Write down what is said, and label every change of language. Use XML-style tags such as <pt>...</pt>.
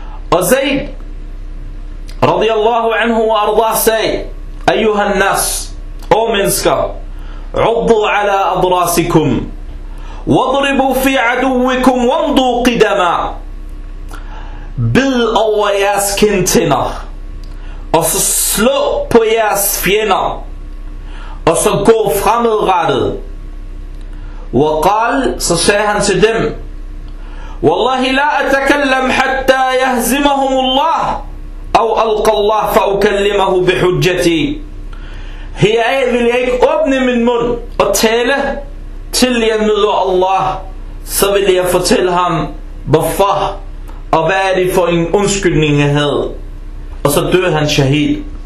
<ar>Og Zayd radiyallahu anhu wa arda sagde, ayyuhan nas,</ar> <da>o mennesker,</da> <ar>uddu ala adrasikum, وَضْرِبُوا فِي عَدُوِّكُمْ وَانْضُوا قِدَمَا.</ar> <da>Bid over jeres kindtænder, og så slå på jeres fjender, og så gå fremadrettet.</da> <ar>وقال,</ar> <da>så sagde han til dem,</da> <ar>وَاللَّهِ لَا أَتَكَلَّمْ حَتَّى يَهْزِمَهُمُ اللَّهِ أَوْ أَلْقَ اللَّهِ فَأُكَلِّمَهُ بِحُجَّتِي.</ar> <da>Her vil jeg ikke åbne min mund og tale, til jeg møder Allah, så vil jeg fortælle ham, hvorfor og hvad er det for en undskyldning jeg havde. Og så døde han shahid.</da>